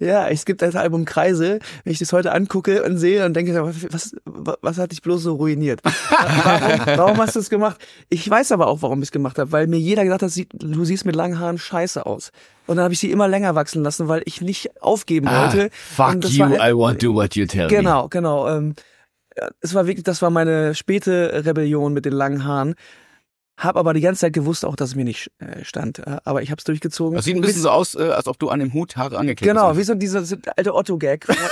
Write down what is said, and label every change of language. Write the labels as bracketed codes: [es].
[de] Ja, es gibt das Album Kreise. Wenn ich das heute angucke und sehe, dann denke ich, was hat dich bloß so ruiniert? Warum hast du es gemacht? Ich weiß aber auch, warum ich es gemacht habe, weil mir jeder gesagt hat, du siehst mit langen Haaren scheiße aus. Und dann habe ich sie immer länger wachsen lassen, weil ich nicht aufgeben wollte. [en] Fuck you, I won't do what you tell me. [de] Genau, genau. Es war wirklich, das war meine späte Rebellion mit den langen Haaren. Hab aber die ganze Zeit gewusst auch, dass es mir nicht stand. Aber ich hab's durchgezogen. Das sieht ein bisschen so aus, als ob du an dem Hut Haare angeklebt hast. Genau, wie so dieser alte Otto-Gag.